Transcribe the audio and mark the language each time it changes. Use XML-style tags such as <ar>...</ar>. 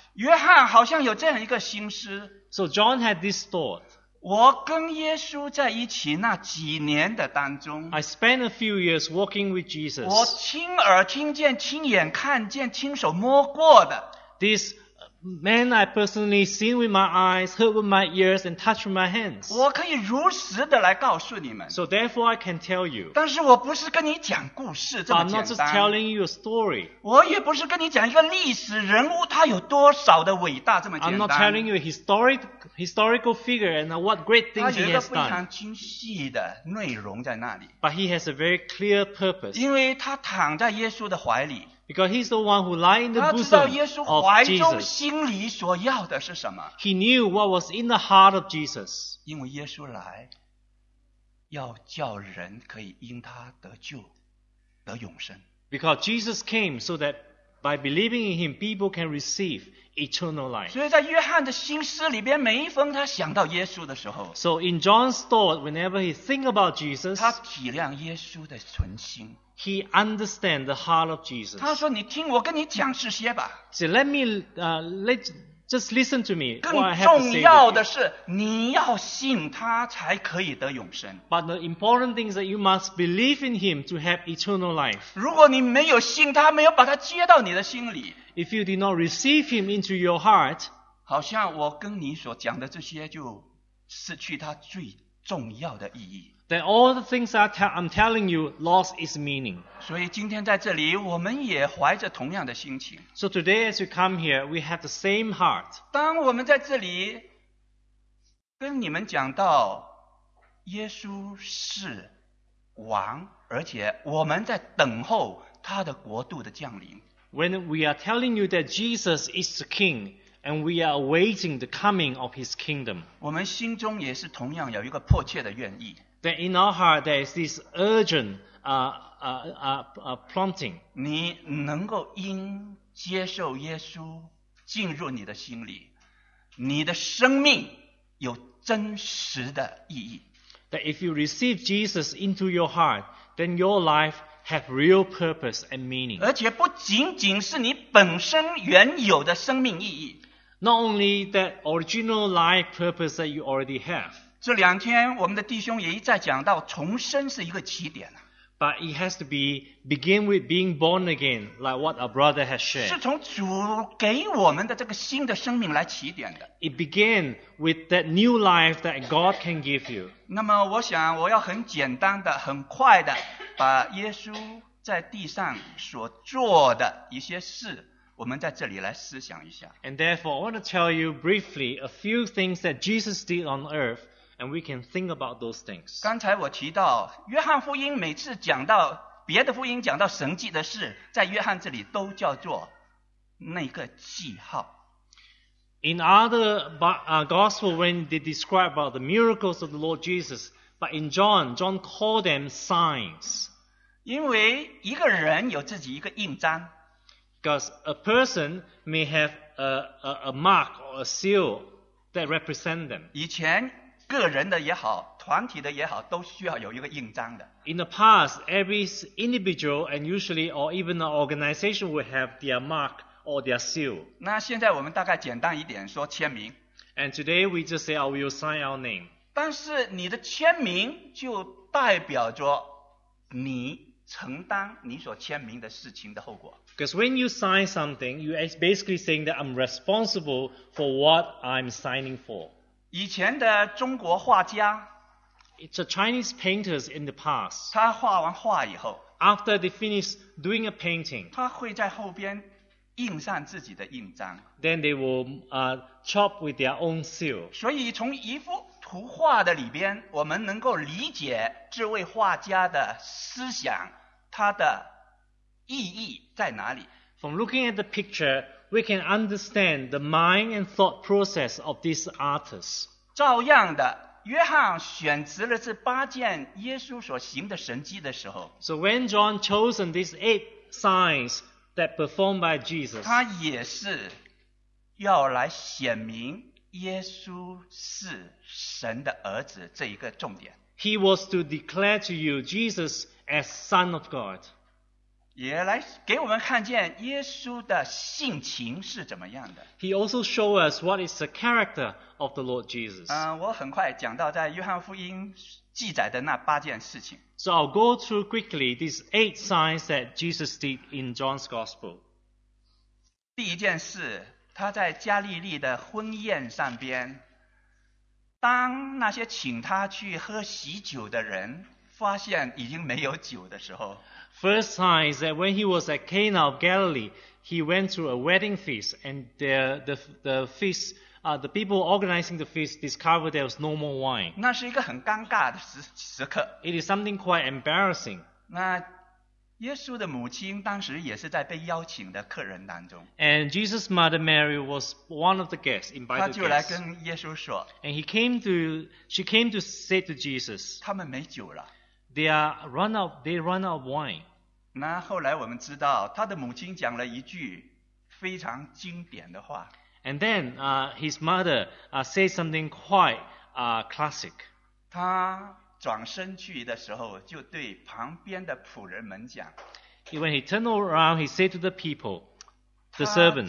<zh>约翰好像有这样一个心思。</zh> <en>So John had this thought.</en> <zh>我跟耶稣在一起那几年的当中。</zh> <en>I spent a few years walking with Jesus.</en> <zh>我亲耳听见、亲眼看见、亲手摸过的。</zh> <en>This Man, I personally seen with my eyes, heard with my ears, and touched with my hands.</en> <zh>我可以如实的来告诉你们。</zh> <en>So therefore, I can tell you.</en> <zh>但是我不是跟你讲故事这么简单。</zh> <en>I'm not just telling you a story.</en> <zh>我也不是跟你讲一个历史人物他有多少的伟大这么简单。</zh> <en>I'm not telling you a historical figure and what great things he has done.</en> <zh>他有一个非常清晰的内容在那里。</zh> <en>But he has a very clear purpose.</en> <zh>因为他躺在耶稣的怀里。</zh> <en>Because he's the one who lies in the bosom of Jesus.</en> <zh>他知道耶稣怀中心里所要的是什么。</zh> <en>He knew what was in the heart of Jesus.</en> <zh>因为耶稣来，要叫人可以因他得救，得永生。</zh> <en>Because Jesus came so that by believing in him, people can receive eternal life.</en> <zh>所以在约翰的心思里边，每一逢他想到耶稣的时候</zh> <en>，So in John's thought, whenever he think about Jesus,</en> <zh>他体谅耶稣的存心。</zh> <en>He understand the heart of Jesus.</en> <zh>他说：“你听我跟你讲这些吧。”</zh> <en>So let me just listen to me.</en> <zh>更重要的是，你要信他才可以得永生。</zh> <en>But the important thing is that you must believe in him to have eternal life.</en> <zh>如果你没有信他，没有把他接到你的心里</zh> <en>，If you did not receive him into your heart,</en> <zh>好像我跟你所讲的这些就失去它最重要的意义。</zh> <en>That all the things I'm telling you lost its meaning.</en> <zh>所以今天在这里，我们也怀着同样的心情。</zh> <en>So today as you come here, we have the same heart.</en> <zh>当我们在这里跟你们讲到耶稣是王，而且我们在等候他的国度的降临。</zh> <en>When we are telling you that Jesus is the king, and we are awaiting the coming of his kingdom.</en> <zh>我们心中也是同样有一个迫切的愿意。</zh> <en>That in our heart there is this urgent prompting.</en> <zh>你能够因接受耶稣进入你的心里，你的生命有真实的意义。</zh> <en>That if you receive Jesus into your heart, then your life have real purpose and meaning.</en> <zh>而且不仅仅是你本身原有的生命意义。</zh> <en>Not only that original life purpose that you already have.</en> <zh>这两天我们的弟兄也一再讲到，重生是一个起点。</zh> <en>But it has to be begin with being born again, like what our brother has shared.</en> <zh>是从主给我们的这个新的生命来起点的。</zh> <en>It began with that new life that God can give you.</en> <zh>那么我想我要很简单的、很快的把耶稣在地上所做的一些事，我们在这里来思想一下。</zh> <en>And therefore, I want to tell you briefly a few things that Jesus did on earth. And we can think about those things.</en> <zh>刚才我提到，约翰福音每次讲到别的福音讲到神迹的事，在约翰这里都叫做那个记号。</zh> <en>In other gospel, when they describe about the miracles of the Lord Jesus, but in John, John called them signs.</en> <zh>因为一个人有自己一个印章。</zh> <en>Because a person may have a mark or a seal that represent them.</en> <zh>以前个人的也好，团体的也好，都需要有一个印章的。</zh> <en>In the past, every individual and usually or even an organization would have their mark or their seal.</en> <zh>那现在我们大概简单一点说签名。</zh> <en>And today we just say, oh, we'll sign our name.</en> <zh>但是你的签名就代表着你承担你所签名的事情的后果。</zh> <en>Because when you sign something, you are basically saying that I'm responsible for what I'm signing for.</en> <zh>以前的中国画家</zh> <en>It's a Chinese painters in the past.</en> <zh>他画完画以后</zh> <en>After they finish doing a painting,</en> <zh>他会在后边印上自己的印章</zh> <en>Then they will chop with their own seal.</en> <zh>所以从一幅图画的里边，我们能够理解这位画家的思想，他的意义在哪里。</zh> <en>From looking at the picture,We can understand the mind and thought process of this artist.</en> <zh>照样的，约翰选择了这八件耶稣所行的神迹的时候</zh> <en>，So when John chose these eight signs that performed by Jesus,</en> <zh>他也是要来显明耶稣是神的儿子这一个重点。</zh> <en>He was to declare to you Jesus as Son of God.</en> <zh>也来给我们看见耶稣的性情是怎么样的。</zh> <en>He also show us what is the character of the Lord Jesus.</en> <zh>我很快讲到在约翰福音记载的那八件事情。</zh> <en>So I'll go through quickly these eight signs that Jesus did in John's Gospel.</en> <zh>第一件事，他在加利利的婚宴上边，当那些请他去喝喜酒的人发现已经没有酒的时候。</zh> <en>First sign is that when he was at Cana of Galilee, he went to a wedding feast, and the people organizing the feast discovered there was no more wine.</en> <zh>那是一个很尴尬的时刻。</zh> <en>It is something quite embarrassing.</en> <zh>那耶稣的母亲当时也是在被邀请的客人当中。</zh> <en>And Jesus' mother Mary was one of the guests, invited guests.</en> <zh>她就来跟耶稣说。</zh> <en>And she came to say to Jesus,</en> <zh>他们没酒了。</zh> <en>They run out of wine.</en> <zh>那后来我们知道，他的母亲讲了一句非常经典的话。</zh> <en>And then, his mother, said something quite, classic.</en> <zh>他转身去的时候，就对旁边的仆人们讲。</zh> <en>When he turned around, he said to the people, the servants,</en>